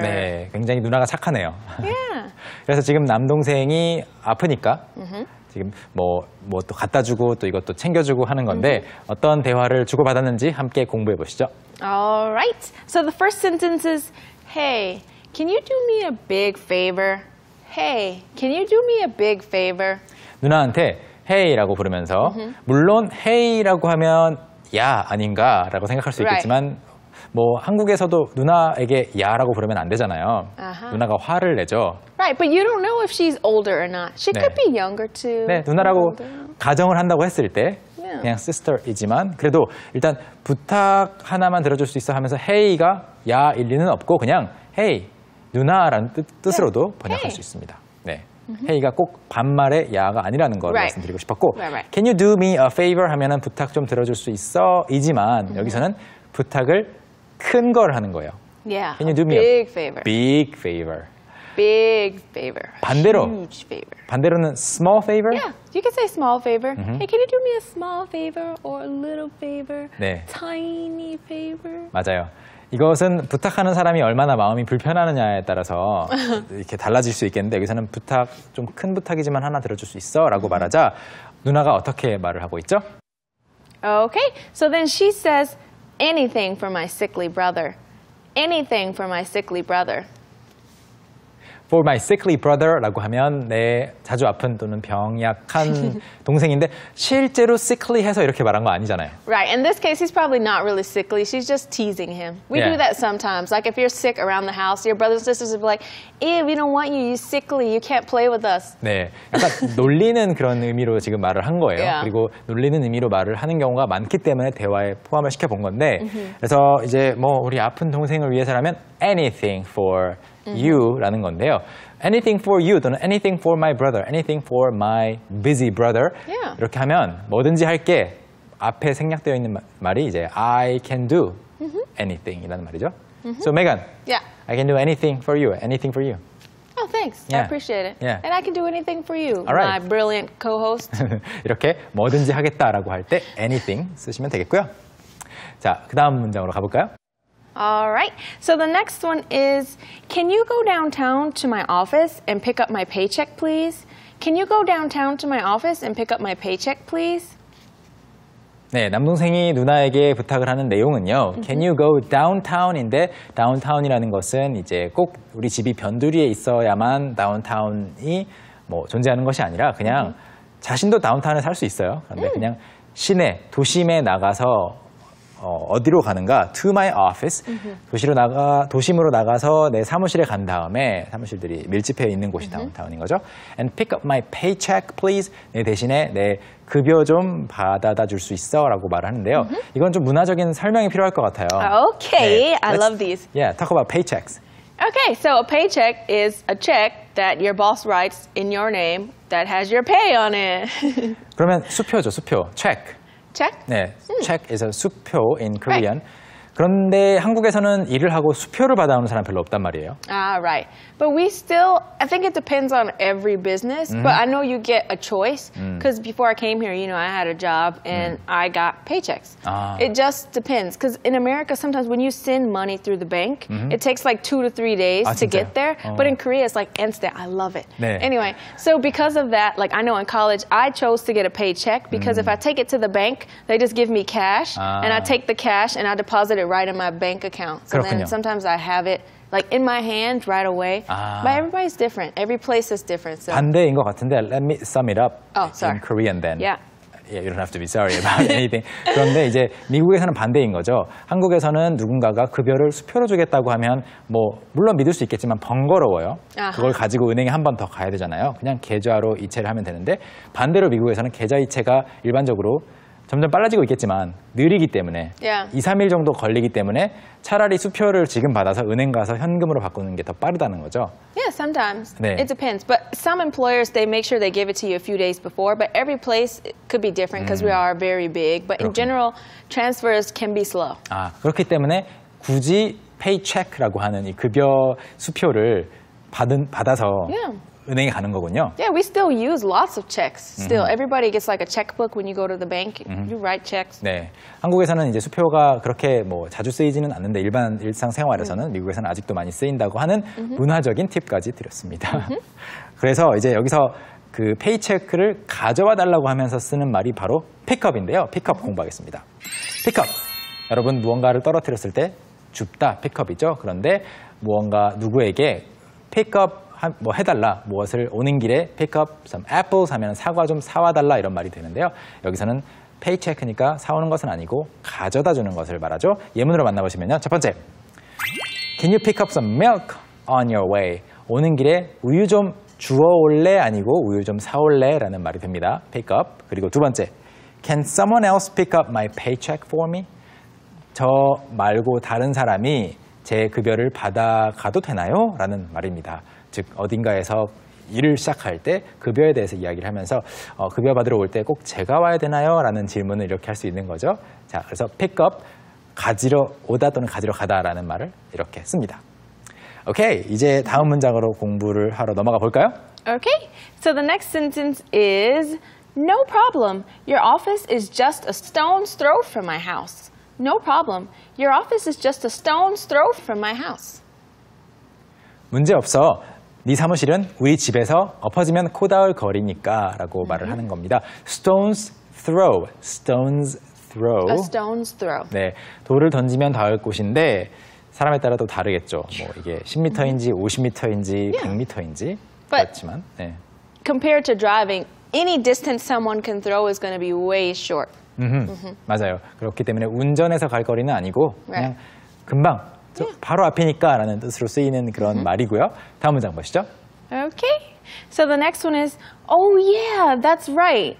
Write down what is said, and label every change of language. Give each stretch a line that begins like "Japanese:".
Korean: 네, 굉장히 누나가 착하네요.
English: Yeah.
Korean: 그래서 지금 남동생이 아프니까 지금 뭐 또 갖다 주고 또 이것도 챙겨 주고 하는 건데 어떤 대화를 주고 받았는지 함께 공부해 보시죠.
English: All right. So the first sentence is, "Hey, can you do me a big favor?" Hey, can you do me a big favor?
Korean: 누나한테 hey라고 부르면서 물론 hey라고 하면 야 아닌가라고 생각할 수 있겠지만 뭐 한국에서도 누나에게 야라고 부르면 안 되잖아요. 누나가 화를 내죠.
English: Right, but you don't know if she's older or not. She could be younger too.
Korean: 네, 누나라고 가정을 한다고 했을 때 그냥 sister이지만 그래도 일단 부탁 하나만 들어줄 수 있어 하면서 hey가 야 일리는 없고 그냥 hey. 누나라는 뜻으로도 번역할 수 있습니다. 네, hey가 꼭 반말의 야가 아니라는 걸 말씀드리고 싶었고
English: Can you do me a favor
Korean: 하면은 부탁 좀 들어줄 수 있어 이지만 여기서는 부탁을 큰 걸 하는 거예요.
English: Yeah, can you do me a big favor. Big favor. Big favor.
Korean: 반대로,
English: huge favor.
Korean: 반대로는 small favor?
English: Yeah, you can say small favor. Hey, can you do me a small favor or a little favor?
Korean: 네.
English: Tiny favor.
Korean: 맞아요. 이것은 부탁하는 사람이 얼마나 마음이 불편하느냐에 따라서 이렇게 달라질 수 있겠는데 여기서는 부탁, 좀 큰 부탁이지만 하나 들어줄 수 있어? 라고 말하자 누나가 어떻게 말을 하고 있죠?
English: Okay, so then she says anything for my sickly brother. Anything for my sickly brother. For my sickly brother
Korean: 라고 하면 내 자주 아픈 또는 병약한 동생인데 실제로 sickly 해서 이렇게 말한 거 아니잖아요.
English: Right. In this case, he's probably not really sickly. She's just teasing him. We do that sometimes. Like if you're sick around the house, your brothers and sisters will be like, Ew, we don't want you. You're sickly. You can't play with us.
Korean: 네. 약간 놀리는 그런 의미로 지금 말을 한 거예요.
English: Yeah.
Korean: 그리고 놀리는 의미로 말을 하는 경우가 많기 때문에 대화에 포함을 시켜본 건데 그래서 이제 뭐 우리 아픈 동생을 위해서라면
English: anything for you
Korean: 라는 건데요.
English: Anything for you 또는 anything for my brother, anything for my busy brother. Yeah.
Korean: 이렇게 하면 뭐든지 할게 앞에 생략되어 있는 말이 이제
English: I can do anything
Korean: 이라는 말이죠.
English: So Megan, yeah. I can do anything for you, anything for you. Oh, thanks. Yeah. I appreciate it. Yeah. And I can do anything for you, right. my brilliant co-host.
Korean: 이렇게 뭐든지 하겠다라고 할 때 anything 쓰시면 되겠고요. 자, 그다음 문장으로 가볼까요?
English: All right, so the next one is, can you go downtown to my office and pick up my paycheck, please? Can you go downtown to my office and pick up my paycheck, please?
Korean: 네, 남동생이 누나에게 부탁을 하는 내용은요.
English: Can you go downtown
Korean: 인데, downtown이라는 것은 이제 꼭 우리 집이 변두리에 있어야만 downtown이 뭐 존재하는 것이 아니라 그냥 자신도 downtown에 살 수 있어요. 그런데 그냥 시내, 도심에 나가서 어디로 가는가?
English: To my office.
Korean: 도심으로 나가서 내 사무실에 간 다음에 사무실들이 밀집해 있는 곳이 다운타운인 거죠.
English: And pick up my paycheck, please.
Korean: 내 대신에 내 급여 좀 받아다 줄 수 있어? 라고 말을 하는데요. 이건 좀 문화적인 설명이 필요할 것 같아요.
English: Okay,
Korean: 네,
English: I love these. Yeah, talk about paychecks. Okay, so a paycheck is a check that your boss writes in your name that has your pay on it.
Korean: 그러면 수표죠, 수표. Check.
English: Check? 네, check is a 수표 in Korean. Right.
Korean: 그런데 한국에서는 일을 하고 수표를 받아오는 사람 별로 없단 말이에요.
English: Ah, right. But we still, I think it depends on every business. But I know you get a choice. Because before I came here, you know, I had a job and I got paychecks.
Korean: 아.
English: It just depends. Because in America, sometimes when you send money through the bank, it takes like 2 to 3 days to get there. But in Korea, it's like instant. I love it.
Korean: 네.
English: Anyway, so because of that, like I know in college, I chose to get a paycheck. Because if I take it to the bank, they just give me cash.
Korean: 아.
English: And I take the cash and I deposit it right in my bank account. So
Korean: 그렇군요.
English: Then sometimes I have it. Like in my hand right away.
Korean: 아.
English: But everybody's different. Every place is different. So.
Korean: 반대인 것 같은데,
English: let me sum it up oh, sorry. in Korean then. Yeah. Yeah, you don't have to be sorry about anything.
Korean: 그런데 이제 미국에서는 반대인 거죠. 한국에서는 누군가가 급여를 수표로 주겠다고 하면 뭐 물론 믿을 수 있겠지만 번거로워요. 그걸 가지고 은행에 한 번 더 가야 되잖아요. 그냥 계좌로 이체를 하면 되는데 반대로 미국에서는 계좌 이체가 일반적으로 점점 빨라지고 있겠지만 느리기 때문에 2-3일 정도 걸리기 때문에 차라리 수표를 지금 받아서 은행 가서 현금으로 바꾸는 게 더 빠르다는 거죠.
English: Yeah, sometimes.
Korean: 네.
English: It depends. But some employers, they make sure they give it to you a few days before. But every place could be different because we are very big. But
Korean: 그렇군요.
English: in general, transfers can be slow.
Korean: 아, 그렇기 때문에 굳이 paycheck라고 하는 이 급여 수표를 받아서 은행에 가는 거군요.
English: Yeah, we still use lots of checks. Still, everybody gets like a checkbook when you go to the bank. You write checks.
Korean: 네, 한국에서는 이제 수표가 그렇게 뭐 자주 쓰이지는 않는데 일반 일상 생활에서는 미국에서는 아직도 많이 쓰인다고 하는 문화적인 팁까지 드렸습니다. 그래서 이제 여기서 그 페이체크를 가져와 달라고 하면서 쓰는 말이 바로 픽업인데요. 픽업 공부하겠습니다. 픽업. 여러분 무언가를 떨어뜨렸을 때 줍다 픽업이죠. 그런데 무언가 누구에게 픽업 뭐 해달라 무엇을 오는 길에 픽업
English: some apples
Korean: 하면 사과 좀 사와달라 이런 말이 되는데요. 여기서는 페이체크니까 사오는 것은 아니고 가져다 주는 것을 말하죠. 예문으로 만나보시면요. 첫 번째,
English: Can you pick up some milk on your way?
Korean: 오는 길에 우유 좀 주워올래 아니고 우유 좀 사올래 라는 말이 됩니다.
English: pick up.
Korean: 그리고 두 번째,
English: Can someone else pick up my paycheck for me?
Korean: 저 말고 다른 사람이 제 급여를 받아가도 되나요? 라는 말입니다. 즉 어딘가에서 일을 시작할 때 급여에 대해서 이야기를 하면서 급여 받으러 올 때 꼭 제가 와야 되나요? 라는 질문을 이렇게 할 수 있는 거죠. 자, 그래서 pick up, 가지러 오다 또는 가지러 가다라는 말을 이렇게 씁니다. 오케이, 이제 다음 문장으로 공부를 하러 넘어가 볼까요?
English: Okay, so the next sentence is No problem, your office is just a stone's throw from my house. No problem. Your office is just a stone's throw from my house.
Korean: 문제 없어. 네 사무실은 우리 집에서 엎어지면 코다울 거리니까 라고 말을 하는 겁니다.
English: Stone's throw. Stone's throw. A stone's throw.
Korean: 네, 돌을 던지면 닿을 곳인데 사람에 따라 또 다르겠죠. 뭐 이게 10m인지 50m인지 100m인지 그렇지만 네.
English: Compared to driving, any distance someone can throw is going to be way short.
Korean: 맞아요. 그렇기 때문에 운전해서 갈 거리는 아니고 그냥 금방 바로 앞이니까 라는 뜻으로 쓰이는 그런 말이고요. 다음 문장 보시죠.
English: Okay. So the next one is, Oh yeah, that's right.